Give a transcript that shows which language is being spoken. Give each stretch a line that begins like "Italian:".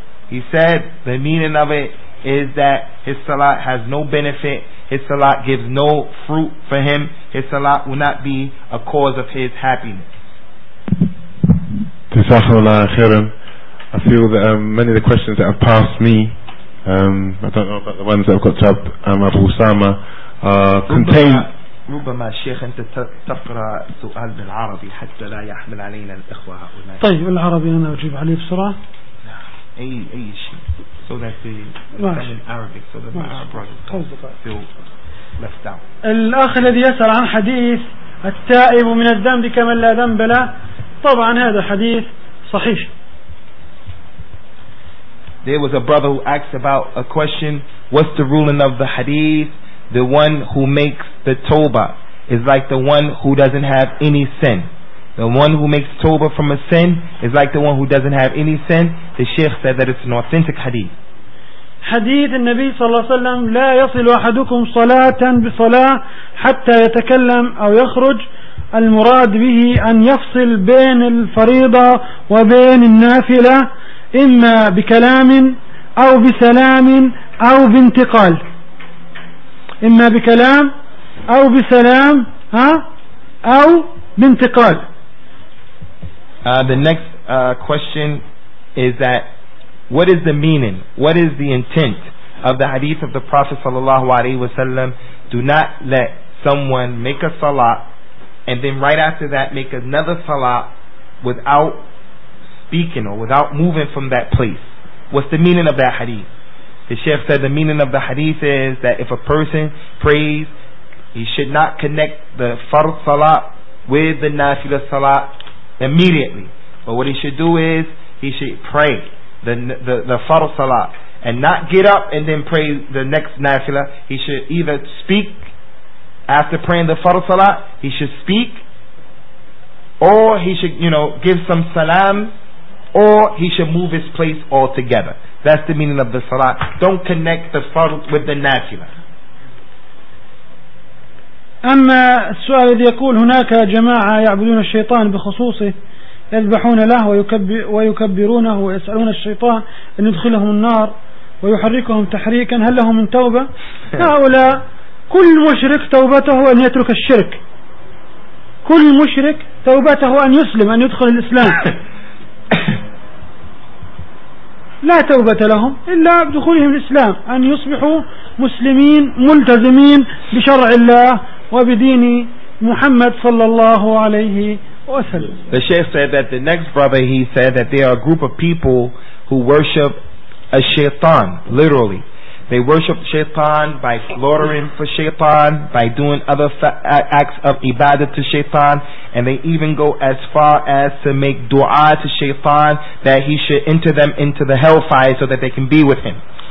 English: He said the meaning of it is that his salat has no benefit, his salat gives no fruit for him, his salat will not be a cause of his happiness. Jazakallah khairan. I feel that many of the questions that have passed me, I don't know about the ones that have got to Abu Usama, contain.
Arabic: ربما الشيخ أنت تقرأ سؤال بالعربي حتى لا يحمل علينا الإخوة هؤلاء. طيب العربي أنا أجيب عليه بسرعة. أي شيء.
English: So that the in Arabic so that our brothers feel left out.
Arabic: الأخ الذي يسأل عن حديث التائب من الذنب كمن لا ذنب له. طبعا هذا حديث صحيح.
English: There was a brother who asked about a question. What's the ruling of the hadith? The one who makes the tawbah is like the one who doesn't have any sin. The one who makes tawbah from a sin is like the one who doesn't have any sin. The Shaykh said that it's an authentic hadith.
Arabic: Hadith al-Nabi sallallahu alayhi wa sallam, لا يصل أحدكم صلاة بصلاة حتى يتكلم أو يخرج. المراد به أن يفصل بين الفريضة وبين النافلة إما بكلام أو بسلام أو بانتقال. إما بكلام أو بسلام أو بانتقال.
English: The next question is that what is the meaning, what is the intent of the hadith of the Prophet sallallahu alaihi wasallam, do not let someone make a salah and then right after that make another salah without speaking or without moving from that place. What's the meaning of that hadith? The Shaykh said the meaning of the hadith is that if a person prays, he should not connect the fard salah with the nafilah salah immediately. But what he should do is he should pray the fard salah and not get up and then pray the next nafilah. He should either speak after praying the fard salah, he should speak, or he should, you know, give some salam, or he should move his place altogether. That's the meaning of the salah. Don't connect the fard with the nafilah.
Arabic: أما السؤال الذي يقول هناك جماعة يعبدون الشيطان بخصوصه يذبحون له ويكبرونه ويسألون الشيطان أن يدخلهم النار ويحركهم تحريكا هل لهم من توبة؟ هؤلاء كل مشرك توبته أن يترك الشرك. كل مشرك توبته أن يسلم أن يدخل الإسلام. لا توبة لهم إلا بدخولهم الإسلام أن يصبحوا مسلمين ملتزمين بشرع الله وبدين محمد صلى الله عليه وسلم.
English: The Shaykh said that the next brother, he said that there are a group of people who worship a shaitan, literally. They worship shaitan by slaughtering for shaitan, by doing other acts of ibadah to shaitan, and they even go as far as to make dua to shaitan that he should enter them into the hellfire so that they can be with him.